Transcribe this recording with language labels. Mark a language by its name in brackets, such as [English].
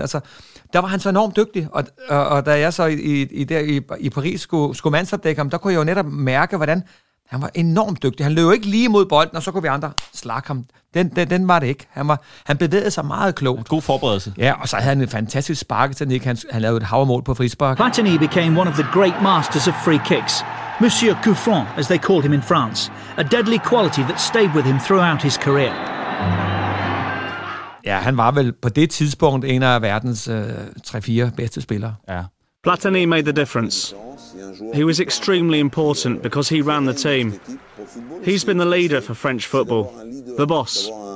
[Danish] Altså, der var han så enormt dygtig. Og da jeg så i Paris skulle mandsopdække ham, der kunne jeg jo netop mærke, hvordan han var enormt dygtig. Han løb jo ikke lige mod bolden, og så kunne vi andre slakke ham. Den var det ikke. Han bevægede sig meget klogt. God forberedelse. Ja, og så havde han en fantastisk sparketeknik. Han lavede et havremål på frispark. [English] Platini became one of the great masters of free kicks. Monsieur Couffon, as they called him in France. A deadly quality that stayed with him throughout his career. [Danish] Ja, han var vel på det tidspunkt en af verdens 3-4 bedste spillere. Ja. [English] Platini made the difference. He was extremely important because he ran the team. He's been the leader for French football, the boss.